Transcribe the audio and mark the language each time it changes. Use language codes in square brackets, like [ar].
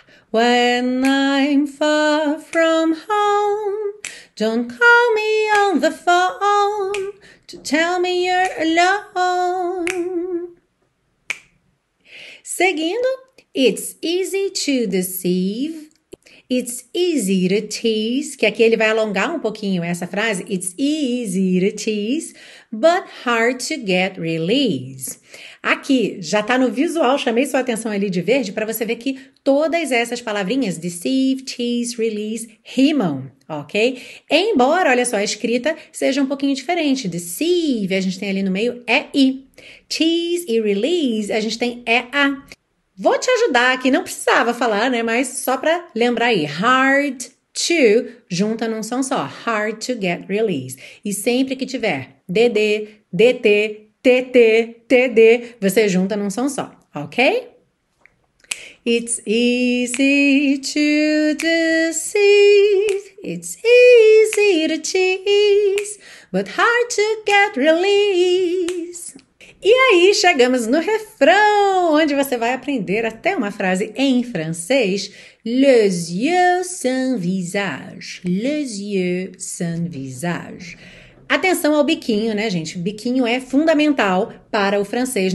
[en] When I'm far from home, don't call me on the phone to tell me you're alone. [pt] Seguindo, [en] it's easy to deceive. It's easy to tease, [pt] que aqui ele vai alongar um pouquinho essa frase. [en] It's easy to tease, but hard to get release. [pt] Aqui, já tá no visual, chamei sua atenção ali de verde para você ver que todas essas palavrinhas, deceive, tease, release, rimam, ok? Embora, olha só, a escrita seja um pouquinho diferente. Deceive, a gente tem ali no meio, é I. Tease e release, a gente tem é A. Vou te ajudar aqui, não precisava falar, né? Mas só para lembrar aí, hard to, junta num som só, [en] hard to get release. [pt] E sempre que tiver DD, DT, TT, TD, você junta num som só, ok? [en] It's easy to deceive, it's easy to tease, but hard to get release. [pt] E aí, chegamos no refrão, onde você vai aprender até uma frase em francês. [fr] Les yeux sans visage. Les yeux sans visage. [pt] Atenção ao biquinho, né, gente? Biquinho é fundamental para o francês.